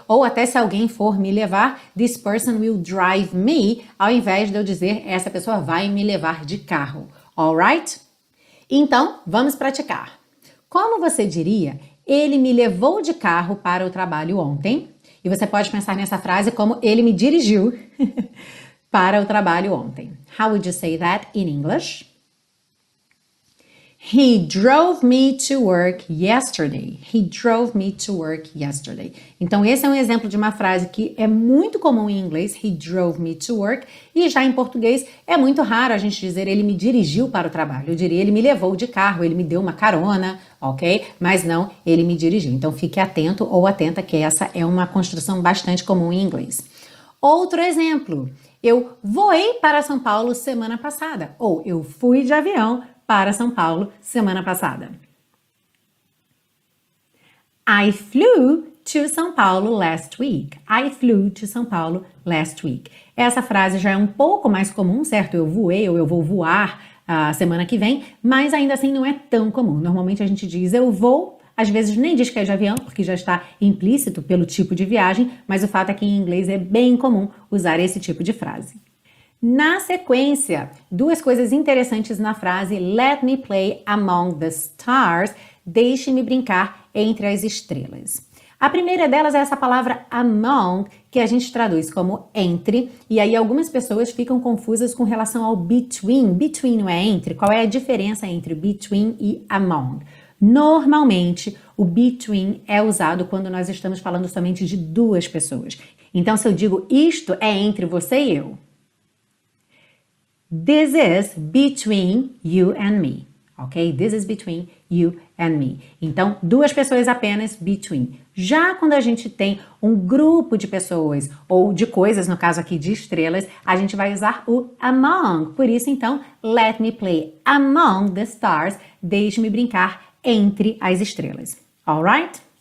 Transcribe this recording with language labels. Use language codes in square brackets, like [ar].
[pt] Ou até se alguém for me levar, [en] this person will drive me, [pt] ao invés de eu dizer essa pessoa vai me levar de carro. Alright? Então, vamos praticar. Como você diria, ele me levou de carro para o trabalho ontem? E você pode pensar nessa frase como ele me dirigiu para o trabalho ontem. [en] How would you say that in English? He drove me to work yesterday. He drove me to work yesterday. [pt] Então, esse é um exemplo de uma frase que é muito comum em inglês, [en] he drove me to work. [pt] E já em português, é muito raro a gente dizer ele me dirigiu para o trabalho. Eu diria ele me levou de carro, ele me deu uma carona, ok? Mas não, ele me dirigiu. Então, fique atento ou atenta que essa é uma construção bastante comum em inglês. Outro exemplo, eu voei para São Paulo semana passada, ou eu fui de avião para São Paulo semana passada. [en] I flew to São Paulo last week. I flew to São Paulo last week. [pt] Essa frase já é um pouco mais comum, certo? Eu voei ou eu vou voar a semana que vem, mas ainda assim não é tão comum. Normalmente a gente diz eu vou, às vezes nem diz que é de avião, porque já está implícito pelo tipo de viagem, mas o fato é que em inglês é bem comum usar esse tipo de frase. Na sequência, duas coisas interessantes na frase [en] Let me play among the stars, [pt] deixe-me brincar entre as estrelas. A primeira delas é essa palavra among, que a gente traduz como entre, e aí algumas pessoas ficam confusas com relação ao between. Between não é entre? Qual é a diferença entre between e among? Normalmente, o between é usado quando nós estamos falando somente de duas pessoas. Então, se eu digo isto é entre você e eu. [en] This is between you and me, ok? This is between you and me. [pt] Então, duas pessoas apenas, between. Já quando a gente tem um grupo de pessoas, ou de coisas, no caso aqui de estrelas, a gente vai usar o among. Por isso, então, [en] let me play among the stars, [pt] deixe-me brincar entre as estrelas, alright?